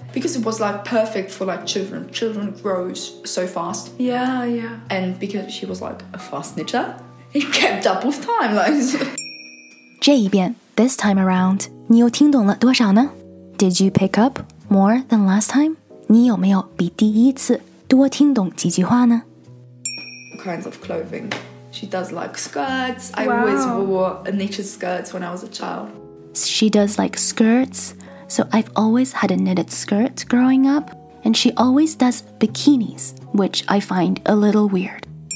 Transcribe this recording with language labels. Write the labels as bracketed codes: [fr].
[en] Because it was, like, perfect for, like, children. Children grow so fast. Yeah, yeah. And because she was, like, a fast knitter, it kept up with time. Like, [zh] 这一遍, [en] this time around, [zh] 你又听懂了多少呢? [en] Did you pick up more than last time? [zh] 你有没有比第一次多听懂几句话呢? [en] All kinds of clothing. She does, like, skirts. Wow. I always wore knitted skirts when I was a child. She does, like, skirts. So I've always had a knitted skirt growing up, and she always does bikinis, which I find a little weird.